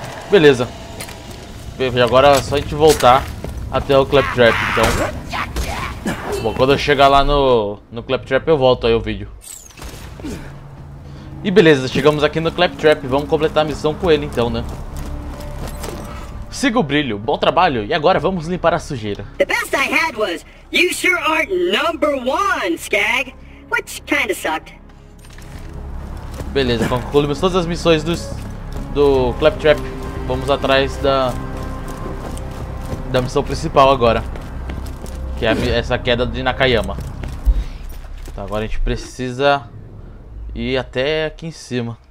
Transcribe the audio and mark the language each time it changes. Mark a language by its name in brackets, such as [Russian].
[Portuguese] Beleza. E agora é só a gente voltar até o Claptrap, então. Bom, quando eu chegar lá no Claptrap eu volto aí o vídeo. E beleza, chegamos aqui no Claptrap, vamos completar a missão com ele então, né? Siga o Brilho, bom trabalho, e agora vamos limpar a sujeira. [English] The best I had was you sure aren't number one, Skag. Which kind of sucked. [Portuguese] Beleza, concluímos todas as missões do Claptrap. Vamos atrás da missão principal agora, que é essa queda de Nakayama. Então agora a gente precisa ir até aqui em cima.